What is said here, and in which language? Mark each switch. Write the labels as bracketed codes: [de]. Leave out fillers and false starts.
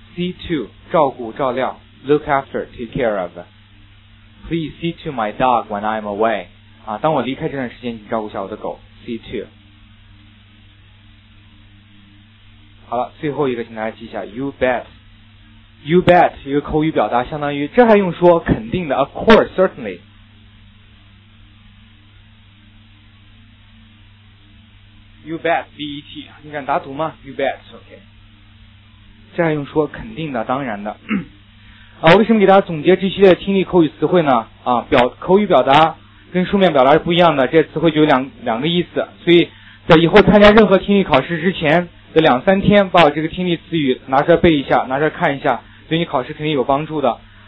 [en] See to [zh] 照顾照料 [en] ，look after take care of。Please see to my dog when I'm away。 [zh] 啊，当我离开这段时间，请照顾下我的狗。 [en] See you too。 [zh] 好了，最后一个，请大家记一下 ，You bet。You bet 一个口语表达，相当于这还用说肯定的 ， [en] Of course, certainly。 You bet, B E T， [zh] 你敢打赌吗 [en] ？You bet, OK。 [zh] 这还用说肯定的，当然的。啊，为什么给大家总结这系列听力口语词汇呢？啊，口语表达跟书面表达是不一样的，这词汇就有两个意思，所以在以后参加任何听力考试之前的两三天，把我这个听力词语拿出来背一下，拿出来看一下，对你考试肯定有帮助的。